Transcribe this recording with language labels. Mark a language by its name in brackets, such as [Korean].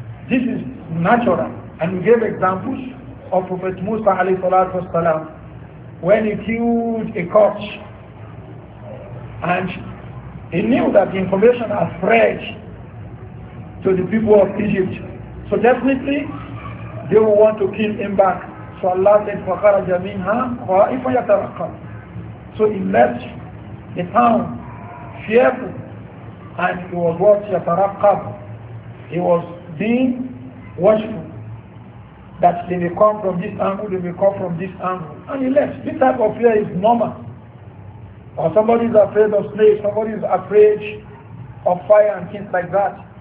[English] This is natural. And we gave examples of Prophet Musa alayhi salatu wasalam when he killed a corpse. And he knew that the information had spread to the people of Egypt. So definitely they will want to kill him back. So Allah said, [Arabic] فَخَرَجَ مِنْهَا خَائِفًا يَتَرَقَّبُ. [English] So he left the town fearful, and he was what? [Arabic] يَتَرَقَّبُ. [English] He was being watchful that they may come from this angle, they may come from this angle. And he left. This type of fear is normal. Or somebody is afraid of snakes, somebody is afraid of fire and things like that.